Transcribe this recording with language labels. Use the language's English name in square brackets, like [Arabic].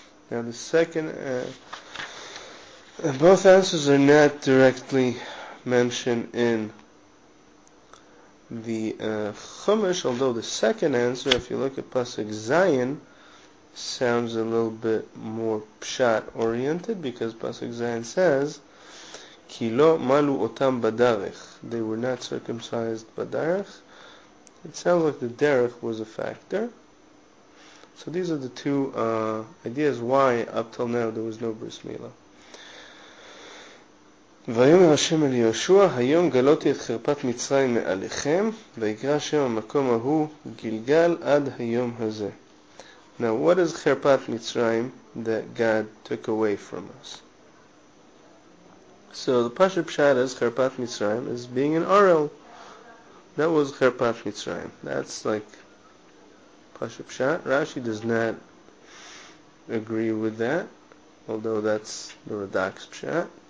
[English] Now the second, both answers are not directly mentioned in the Chumash, although the second answer, if you look at Pasuk Zion, sounds a little bit more pshat oriented, because Pasuk Zion says, [Hebrew] Ki lo malu otam badarech. [English] They were not circumcised badarech. It sounds like the derech was a factor. So these are the two ideas why up till now there was no bris milah. [Hebrew] ויאמר השם אל יהושע, היום גלותי את חרפת מצרים מעליכם, ויקרא השם המקום ההוא גלגל עד היום הזה. [English] Now what is חרפת מצרים that God took away from us? So the Pashut Pshat is Cherpat Mitzrayim is being an Arel. That was Cherpat Mitzrayim. That's like Pashut Pshat. Rashi does not agree with that, although that's the Radak's Pshat.